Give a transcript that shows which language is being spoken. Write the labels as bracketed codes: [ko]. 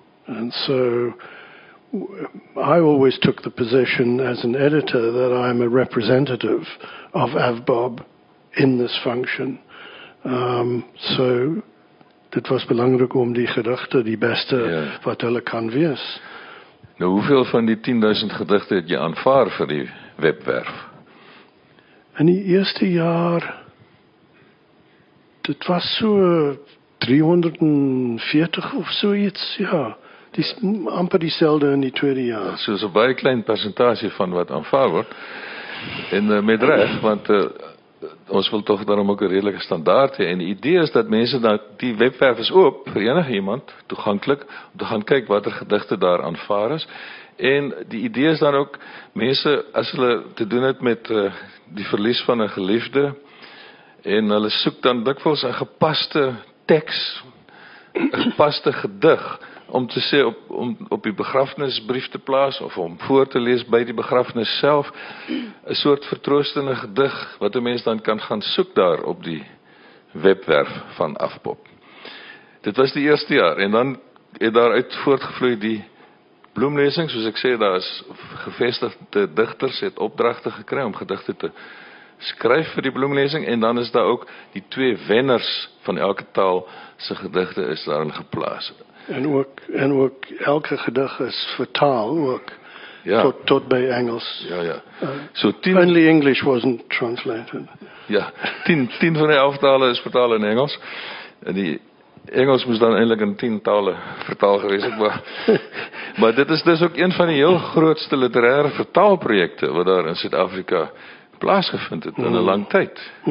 [en] And so I always took the position as an editor that I'm a representative of Avbob in this function. [af] So dit was belangrijk om die gedigte, die beste, ja, wat hulle kan wees. Nou, hoeveel van die 10,000 gedigte het jy aanvaar vir die webwerf? In die eerste jaar, dit was so 340 of so iets, ja. Dis amper dieselfde in die tweede jaar. So is 'n baie klein percentage van wat aanvaar word. En met reg, want ons wil toch daarom ook een redelike standaard hê. En die idee is dat mense dan die webwerf is oop vir enige iemand, toeganklik, om te gaan kyk wat gedigte daar aanvaar is. En die idee is dan ook, mense, as hulle te doen het met die verlies van 'n geliefde, en hulle soek dan dikwels een gepaste tekst, een gepaste gedig, om te sê om op die begrafnisbrief te plaas, of om voor te lees by die begrafnis self, een soort vertroostende gedig, wat die mens dan kan gaan soek daar op die webwerf van Afbob. Dit was die eerste jaar, en dan het daaruit voortgevloei die bloemlesing, soos ek sê, daar is gevestigde digters het opdragte gekry om gedigte te skryf vir die bloemlesing, en dan is daar ook die twee wenners van elke taal se gedigte is daarin geplaas. En ook elke gedig is vertaal ook, ja. tot by Engels. Ja, ja. [en] Only English wasn't translated. [af] Ja, 10 van die 11 tale is vertaal in Engels, en die Engels moes dan eindelijk in 10 tale vertaal gewees, maar dit is dus ook een van die heel grootste literaire vertaalprojekte wat daar in Suid-Afrika plaasgevind het in 'n lang tyd.